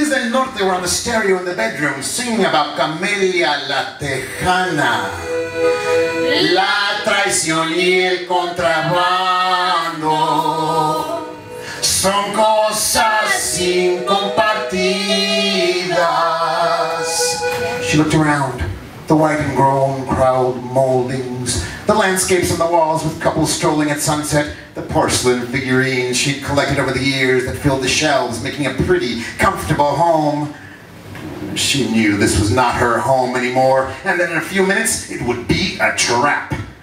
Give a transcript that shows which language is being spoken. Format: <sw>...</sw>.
<en>thought they were on the stereo in the bedroom singing about Camelia La Tejana.</en> <es>La traición y el contrabando son cosas incompartidas.</es> <en>She looked around, the white and grown crowd moldings, the landscapes on the walls with couples strolling at sunset, the porcelain figurines she'd collected over the years that filled the shelves, making a pretty, comfortable home. She knew this was not her home anymore, and that in a few minutes, it would be a trap.</en>